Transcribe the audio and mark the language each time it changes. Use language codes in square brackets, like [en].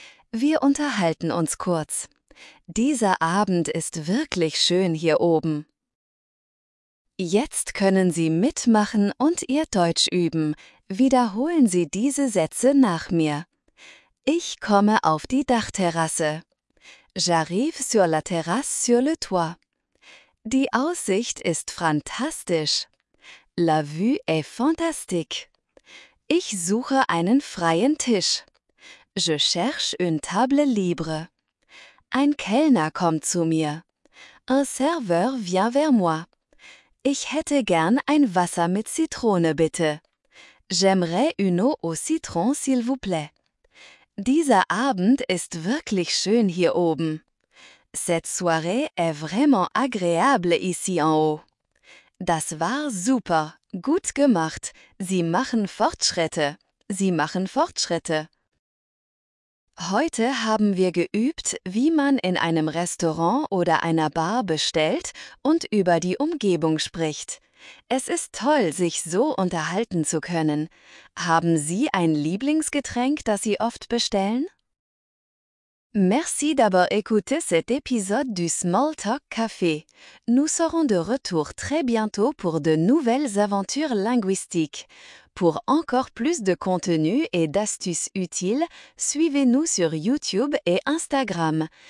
[de] Wir unterhalten uns kurz. Dieser Abend ist wirklich schön hier oben. Jetzt können Sie mitmachen und Ihr Deutsch üben. Wiederholen Sie diese Sätze nach mir. Ich komme auf die Dachterrasse. [fr] J'arrive sur la terrasse sur le toit. [de] Die Aussicht ist fantastisch. [fr] La vue est fantastique. [de] Ich suche einen freien Tisch. [fr] Je cherche une table libre. [de] Ein Kellner kommt zu mir. [fr] Un serveur vient vers moi. [de] Ich hätte gern ein Wasser mit Zitrone, bitte. [fr] J'aimerais une eau au citron, s'il vous plaît. [de] Dieser Abend ist wirklich schön hier oben. [fr] Cette soirée est vraiment agréable ici en haut. [de] Das war super. Gut gemacht. Sie machen Fortschritte. Sie machen Fortschritte. Heute haben wir geübt, wie man in einem Restaurant oder einer Bar bestellt und über die Umgebung spricht. Es ist toll, sich so unterhalten zu können. Haben Sie ein Lieblingsgetränk, das Sie oft bestellen? [fr] Merci d'avoir écouté cet épisode du Small Talk Café. Nous serons de retour très bientôt pour de nouvelles aventures linguistiques. Pour encore plus de contenu et d'astuces utiles, suivez-nous sur YouTube et Instagram.